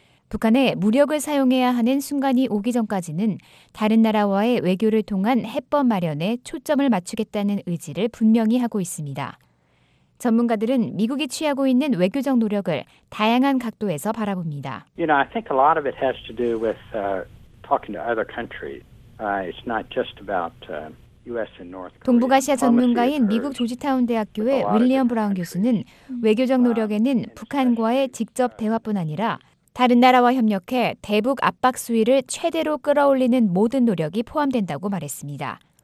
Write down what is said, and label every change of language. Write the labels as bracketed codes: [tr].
[ko] 북한에 무력을 사용해야 하는 순간이 오기 전까지는 다른 나라와의 외교를 통한 해법 마련에 초점을 맞추겠다는 의지를 분명히 하고 있습니다. 전문가들은 미국이 취하고 있는 외교적 노력을 다양한 각도에서 바라봅니다. [en] You know, I think a lot of it has to do with talking to other countries. It's not just about U.S. and North Korea. [ko] 동북아시아 전문가인 미국 조지타운 대학교의 윌리엄 브라운 교수는 외교적 노력에는 북한과의 직접 대화뿐 아니라 다른 나라와 협력해 대북 압박 수위를 최대로 끌어올리는 모든 노력이 포함된다고 말했습니다.